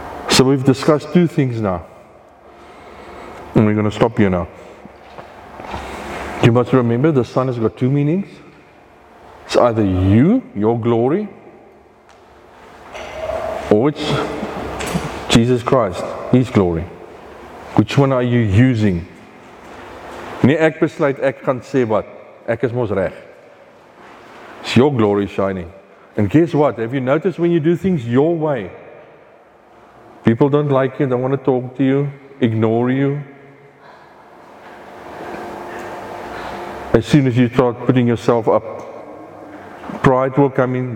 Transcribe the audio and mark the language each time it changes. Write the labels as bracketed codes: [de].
[en] So we've discussed two things now, and we're going to stop here now. You must remember the sun has got two meanings. It's either you, your glory, or it's Jesus Christ, His glory. Which one are you using? [af] Nie ek besluit ek kan sê wat. Ek is mos reg. [en] It's your glory shining. And guess what? Have you noticed when you do things your way, people don't like you, don't want to talk to you, ignore you. As soon as you start putting yourself up, pride will come in.